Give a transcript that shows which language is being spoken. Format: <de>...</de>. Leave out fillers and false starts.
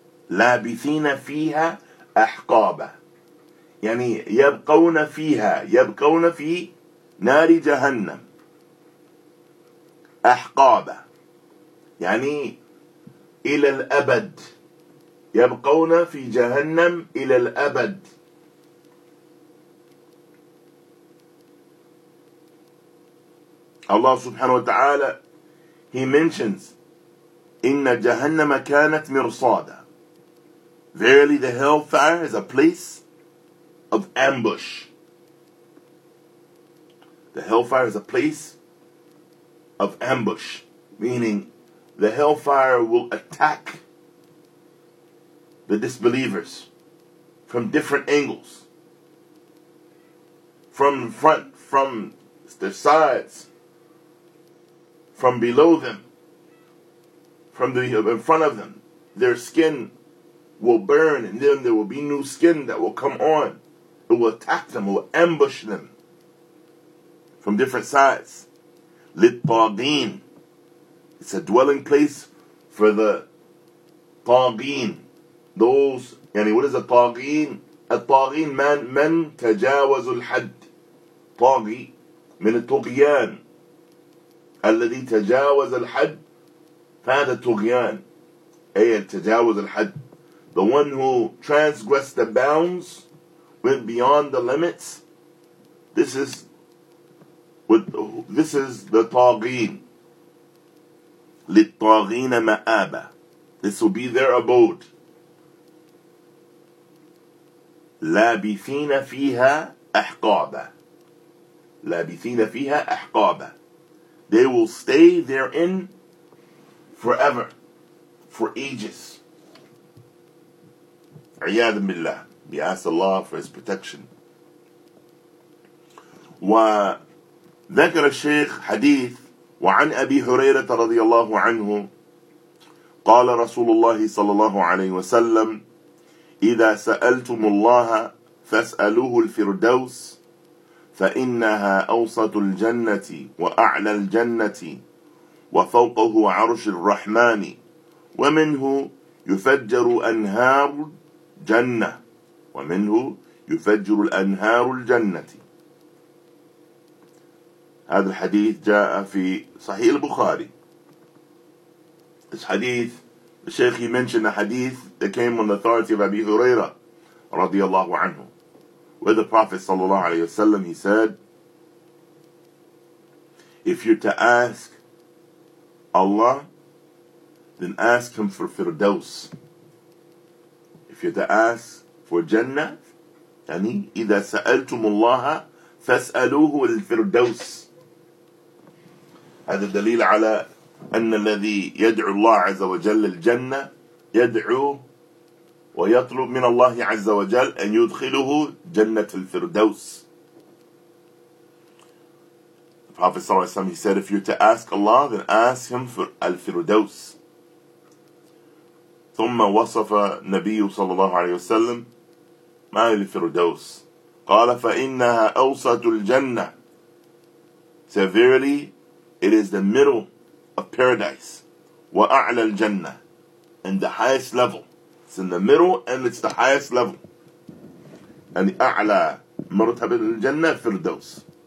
<ar>لابثين فيها أحقابا, يعني يبقون فيها, يبقون في نار جهنم أحقابا, يعني إلى الأبد, يبقون في جهنم إلى الأبد. الله سبحانه وتعالى,</ar> <en>He mentions,</en> <ar>إن جهنم كانت مرصادا.</ar> <en>Verily the hellfire is a place of ambush. The hellfire is a place of ambush, meaning the hellfire will attack the disbelievers from different angles, from front, from their sides, from below them, from the in front of them. Their skin will burn, and then there will be new skin that will come on. It will attack them, it will ambush them from different sides. للطاغين, it's a dwelling place for the طاغين. Those, yani what is a طاغين?</en> <ar>A طاغين, من تجاوز الحد. طاغي, من الطغيان. الذي تجاوز الحد, فهذا طغيان. أي تجاوز الحد.</ar> <en>The one who transgressed the bounds, went beyond the limits, this is the طاغين.</en> <ar>للطاغين مآبا,</ar> <en>this will be their abode.</en> <ar>لابثين فيها أحقابا, لابثين فيها أحقابا,</ar> <en>they will stay therein forever, for ages.</en> <ar>عياذ بالله,</ar> <en>we ask Allah for His protection.</en> <ar>وذكر الشيخ حديث وعن أبي هريرة رضي الله عنه قال رسول الله صلى الله عليه وسلم إذا سألتم الله فاسألوه الفردوس فإنها أوسط الجنة وأعلى الجنة وفوقه عرش الرحمن ومنه يفجر أنهار الجنة ومنه يفجر الأنهار الجنة. هذا الحديث جاء في صحيح البخاري.</ar> <en>This hadith Sheikh, he mentioned a hadith that came on the authority of Abi Hurairah, radiallahu anhu, where the Prophet sallallahu alayhi wasallam, he said, if you're to ask Allah, then ask Him for Firdaus. If you're to ask for Jannah,</en> <ar>يعني إذا سألتم الله فاسألوه الفردوس. هذا دليل على أن الذي يدعو الله عز وجل الجنة يدعو ويطلب من الله عز وجل أن يدخله جنة الفردوس.</ar> <en>The Prophet صلى الله عليه وسلم, he said, if you're to ask Allah, then ask Him for الفردوس.</en> <ar>ثم وصف النبي صلى الله عليه وسلم ما الفردوس. قال فإنها أوسط الجنة.</ar> <en>Severely, it is the middle of paradise.</en> <ar>وأعلى الجنة.</ar> <en>And the highest level. It's in the middle and it's the highest level. And the</en> <ar>أعلى مرتبة الجنة فردوس.</ar>